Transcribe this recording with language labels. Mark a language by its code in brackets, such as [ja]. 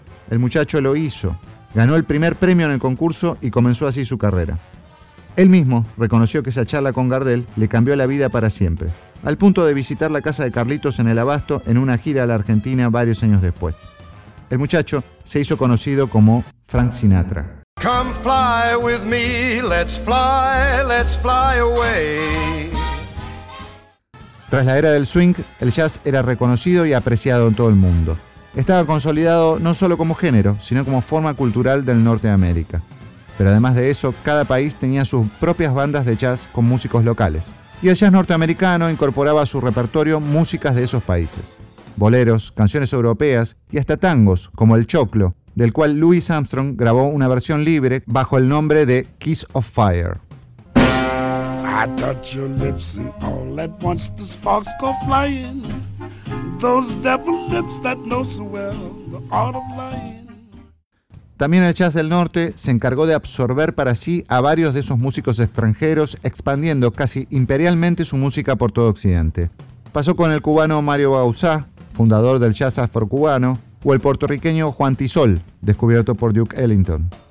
[es] El muchacho lo hizo, ganó el primer premio en el concurso y comenzó así su carrera. Él mismo reconoció que esa charla con Gardel le cambió la vida para siempre, al punto de visitar la casa de Carlitos en el Abasto en una gira a la Argentina varios años después. El muchacho se hizo conocido como Frank Sinatra. [en] Come fly with me, let's fly away. [es] Tras la era del swing, el jazz era reconocido y apreciado en todo el mundo. Estaba consolidado no solo como género, sino como forma cultural del Norte de América. Pero además de eso, cada país tenía sus propias bandas de jazz con músicos locales. Y el jazz norteamericano incorporaba a su repertorio músicas de esos países. Boleros, canciones europeas y hasta tangos, como el choclo, del cual Louis Armstrong grabó una versión libre bajo el nombre de Kiss of Fire. [en] I touch your lips and all at once the sparks go flying. Those devil lips that know so well the art of lying. [es] También el jazz del norte se encargó de absorber para sí a varios de esos músicos extranjeros, expandiendo casi imperialmente su música por todo Occidente. Pasó con el cubano Mario Bauzá, fundador del jazz afrocubano, o el puertorriqueño Juan Tizol, descubierto por Duke Ellington.